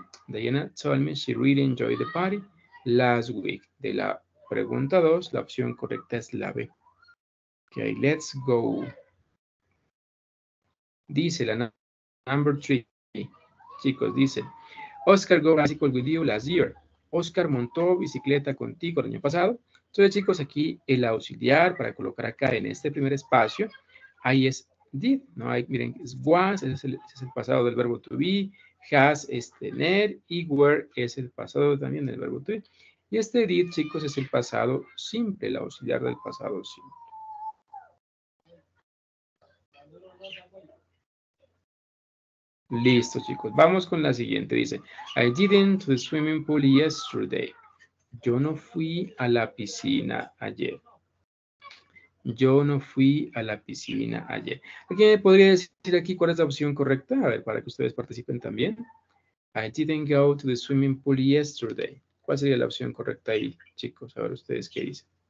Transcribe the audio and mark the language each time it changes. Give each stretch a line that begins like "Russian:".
English: Diana told me she really enjoyed the party last week.
Spanish: De la pregunta 2, la opción correcta es la B.
English: Ok, let's go.
Spanish: Dice la number 3. Chicos, dice,
English: Oscar go bicycle with you last year.
Spanish: Oscar montó bicicleta contigo el año pasado. Entonces, chicos, aquí el auxiliar para colocar acá en este primer espacio, ahí es did, ¿no? Ahí, miren, es was, ese es el pasado del verbo to be, has es tener, y were es el pasado también del verbo to be. Y este did, chicos, es el pasado simple, el auxiliar del pasado simple. Listo, chicos. Vamos con la siguiente.
English: Dice, I didn't to the swimming pool yesterday.
Spanish: Yo no fui a la piscina ayer. Yo no fui a la piscina ayer. ¿Alguien me podría decir aquí cuál es la opción correcta? A ver, para que ustedes participen también.
English: I didn't go to the swimming pool yesterday.
Spanish: ¿Cuál sería la opción correcta ahí, chicos? A ver, ustedes qué dicen.